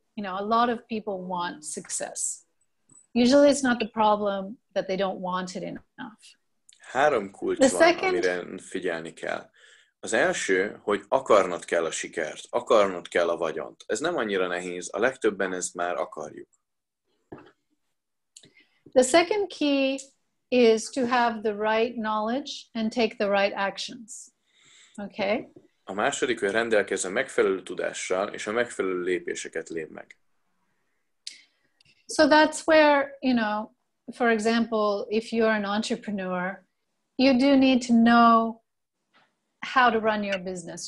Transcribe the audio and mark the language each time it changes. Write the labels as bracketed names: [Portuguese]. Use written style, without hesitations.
[English] You know, a lot of people want success. Usually it's not the problem that they don't want it enough. [Hungarian] 3 kulcs van, [English] second, [Hungarian] amire figyelni kell. Az első, hogy akarnod kell a sikert, akarnod kell a vagyont. Ez nem annyira nehéz, a legtöbben ezt már akarjuk. [English] The second key is to have the right knowledge and take the right actions. Okay? [Hungarian] A második, hogy rendelkezz a megfelelő tudással, és a megfelelő lépéseket lép meg. [English] So that's where, you know, for example, if you're an entrepreneur, you do need to know how to run your business.